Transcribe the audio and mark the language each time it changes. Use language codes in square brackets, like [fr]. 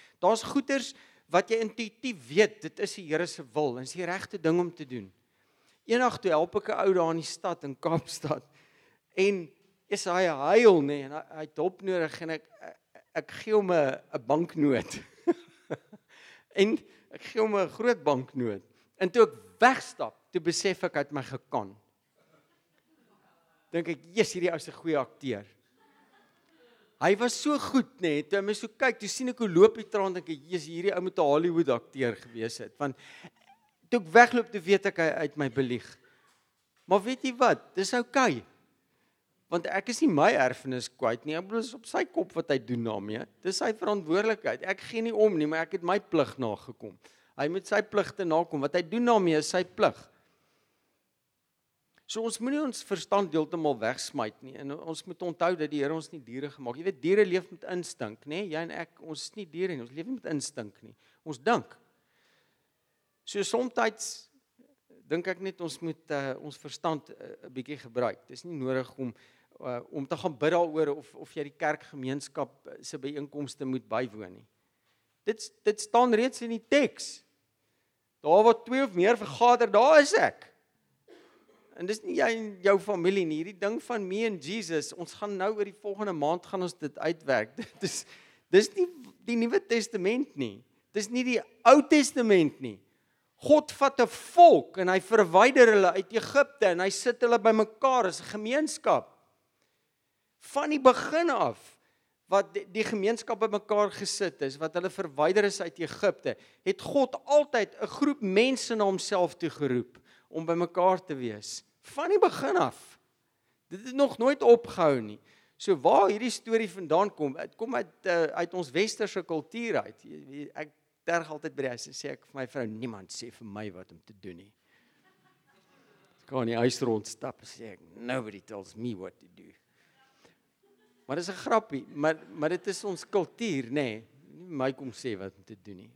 [af] Daar's goeders wat jy intuïtief weet, dit is die Here se wil, dit is die regte ding om te doen. Eendag toe help ek 'n ou daar in die stad in Kaapstad. En hy huil nê en hy het hulp nodig en ek gee hom 'n banknoot. En ek gee hom 'n groot banknoot. En toe ek wegstap, toe besef ek uit my gekan. Dink ek, "Jesus, hierdie ou is 'n goeie akteur." Hy was so goed nê, nee, toe ek so kyk, toe sien ek hoe loop hy traan, dink ek, "Jesus, hierdie ou moet 'n Hollywood akteur gewees het." Want toe ek wegloop, toe weet ek hy uit my belieg. Maar weet jy wat? Dis okay. Want ek is nie my erfenis kwyt nie. Ek bedoel, is op sy kop wat hy doen daarmee. Dis sy verantwoordelikheid. Ek gee nie om nie, maar ek het my plig nagekom. Hy moet sy pligte nakom. Wat hy doen daarmee is sy plig. So ons moenie ons verstand deeltemal wegsmyt nie. En ons moet onthou dat die Here ons nie diere gemaak. Jy weet, diere leef met instink, nê? Jy en ek, ons is nie diere nie. Ons leef nie met instink nie. Ons dink. So somtyds dink ek net ons moet ons verstand 'n bietjie gebruik. Dis nie nodig om te gaan bid daaroor of jy die kerkgemeenskap se byeenkomste moet bywoon nie. Dit staan reeds in die teks. Daar waar twee of meer vergader, daar is ek. En dis nie jy en jou familie nie. Hierdie ding van me en Jesus, ons gaan nou oor die volgende maand gaan ons dit uitwerk. Dis nie die Nuwe Testament nie. Dis nie die Ou Testament nie. God vat 'n volk en hy verwyder hulle uit Egipte en hy sit hulle by mekaar as 'n gemeenskap. Van die begin af, wat die gemeenskap by mekaar gesit is, wat hulle verwyder is uit Egipte, het God altyd 'n groep mense na homself toe geroep om by mekaar te wees. Van die begin af. Dit het nog nooit opgehou nie. So waar hierdie storie vandaan kom, dit kom uit ons westerse kultuur uit. Ek terg altyd by die huis en sê ek vir my vrou, niemand sê vir my wat om te doen nie. Ek gaan in die huis rondstap en sê ek, [en] nobody tells me what to do. [af] Maar dis 'n grappie, maar dit is ons kultuur, nê. Nie my kom sê wat om te doen nie.